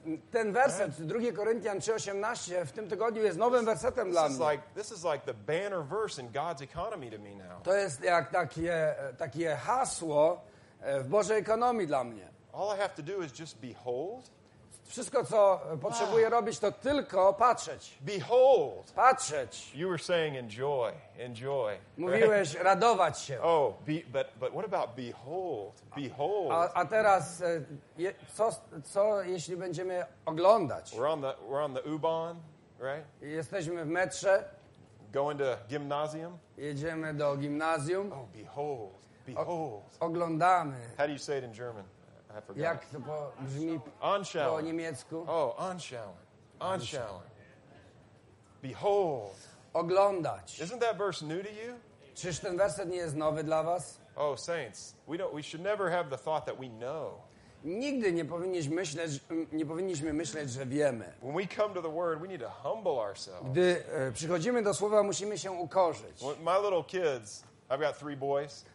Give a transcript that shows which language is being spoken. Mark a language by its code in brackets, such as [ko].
[pl] Ten werset 2 Koryntian 3:18 w tym tygodniu jest nowym wersetem dla mnie. [en] This is like the banner verse in God's economy to me now. [pl] To jest jak takie hasło w Bożej ekonomii dla mnie. [en] All I have to do is just behold. [pl] Wszystko, co potrzebuję robić, to tylko patrzeć. [en] Behold. [pl] Patrzeć. [en] You were saying enjoy, enjoy. [pl] Mówiłeś radować się. [en] Oh, but what about behold? Behold. [pl] A teraz co jeśli będziemy oglądać? [en] We're on the U-Bahn, right? [pl] Jesteśmy w metrze. [en] Going to gymnasium. [pl] Jedziemy do gimnazjum. [en] Oh, behold, behold. [pl] Oglądamy. [en] How do you say it in German? I forgot. [pl] Jak to brzmi [de] anschauen. [pl] Po niemiecku? [de] Oh, anschauen. Anschauen. [en] Behold. [pl] Oglądać. [en] Isn't that verse new to you? [pl] Czyż ten werset nie jest nowy dla was? [en] Oh, saints, we should never have the thought that we know. [pl] Nigdy nie powinniś myśleć, nie powinniśmy myśleć, że wiemy. [en] When we come to the word, we need to humble ourselves. [pl] Gdy przychodzimy do słowa, musimy się ukorzyć. [en] My little kids, I've got three boys.